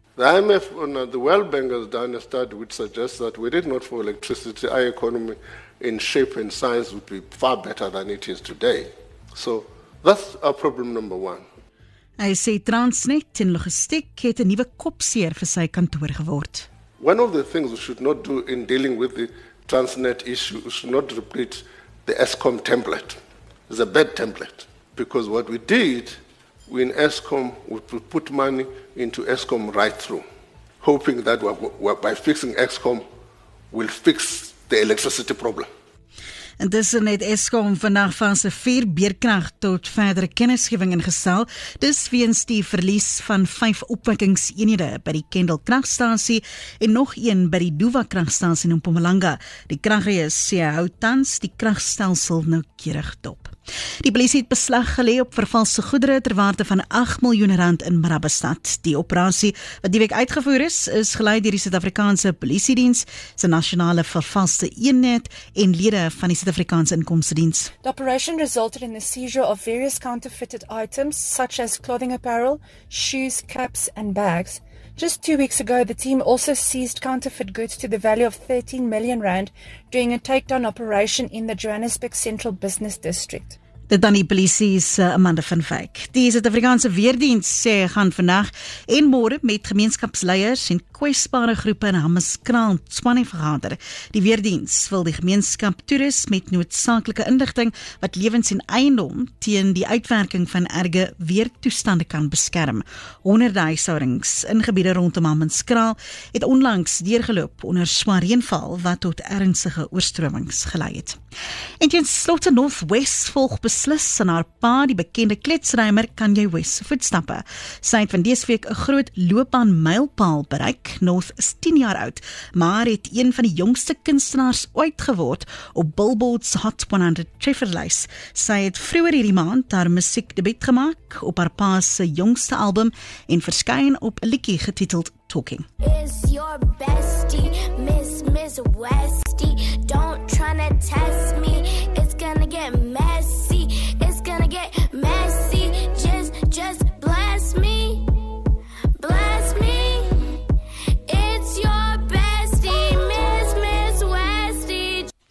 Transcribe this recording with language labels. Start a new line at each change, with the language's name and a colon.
English: The IMF and the World Bank has done a study which suggests that were it not for electricity, our economy in shape and size would be far better than it is today. So that's our problem number one.
Afrikaans: Hy sê Transnet en logistiek het 'n nuwe kopseer vir sy kantoor geword.
English: One of the things we should not do in dealing with the Transnet issue is not repeat the Eskom template. It's a bad template because what we did, we in Eskom, we put money into Eskom right through, hoping that by fixing Eskom, we'll fix the electricity problem.
Afrikaans: Intussen het Eskom vandag fase 4 beerkrag tot verdere kennisgewing ingestel. Dis weens die verlies van 5 opwekkingseenhede by die Kendal kragstasie en nog een by die Duva kragstasie in Mpumalanga. Die kragreis sê hou tans die kragstelsel noukeurig dop. Die polisie het beslag gelê op vervalse goedere ter waarde van 8 miljoen rand in Marabastad. Die operasie wat die week uitgevoer is, is gelei deur die Suid-Afrikaanse Polisiediens, se nasionale vervalse eenheid en lede van die Suid-Afrikaanse Inkomstediens.
English: The operation resulted in the seizure of various counterfeited items such as clothing apparel, shoes, caps and bags. Just 2 weeks ago, the team also seized counterfeit goods to the value of 13 million rand during a takedown operation in the Johannesburg Central Business District.
Afrikaans: Dit dan die polisie se Amanda van Wyk. Die Suid-Afrikaanse Weerdienst sê gaan vandag en môre met gemeenskapsleiers en kwesbare groepe in Hammerskraal Swanie vergader. Die Weerdienst wil die gemeenskap toerus met noodsaaklike inligting wat lewens en eiendom teen die uitwerking van erge weertoestande kan beskerm. Honderde huishoudings in gebiede rondom Hammerskraal het onlangs deurgeloop onder swaar reënval wat tot ernstige oorstromings gelei het. En teen slotte Northwest volg beslis in haar pa, die bekende kletsrymer Kanye West se voetstappe. Sy het van dese week 'n groot loopbaan mylpaal bereik. North is 10 jaar oud, maar het een van die jongste kunstenaars ooit geword op Billboard's Hot 100 trefferlys. Sy het vroeër hierdie maand haar musiekdebuut gemaak op haar pa se jongste album en verskyn op 'n liedjie getiteld Talking.
English: Is your bestie, Miss Westie, don't tryna test me, it's gonna get messy, it's gonna get messy, just bless me, bless me. It's your bestie, Miss Westie.